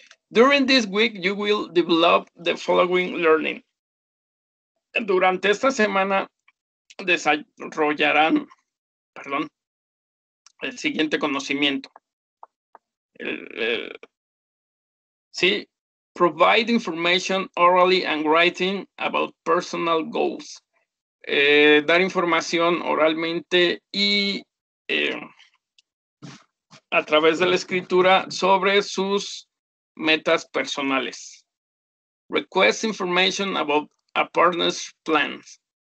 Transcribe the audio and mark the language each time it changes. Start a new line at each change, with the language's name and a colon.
English: During this week, you will develop the following learning.
Spanish: Durante esta semana, desarrollarán, perdón, el siguiente conocimiento.
English: Sí, provide information orally and writing about personal goals.
Spanish: Dar información oralmente y a través de la escritura sobre sus metas personales.
English: Request information about a partner's plans.